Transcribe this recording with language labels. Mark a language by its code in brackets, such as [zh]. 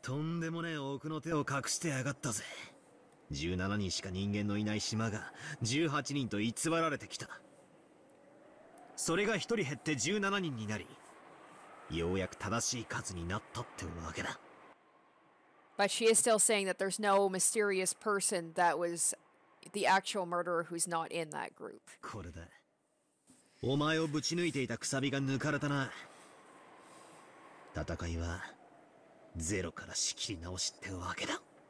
[ja] とんでもねえ奥の手を隠してやがったぜ。17人しか人間のいない島が18人と偽られてきた。それが1人減って17人になり、ようやく正しい数になったってわけだ。 [en] But she is still saying that there's no mysterious person that was the actual murderer who's not in that group. [ja] これだ。お前をぶち抜いていたくさびが抜かれたな。戦いはゼロから仕切り直しってわけだ。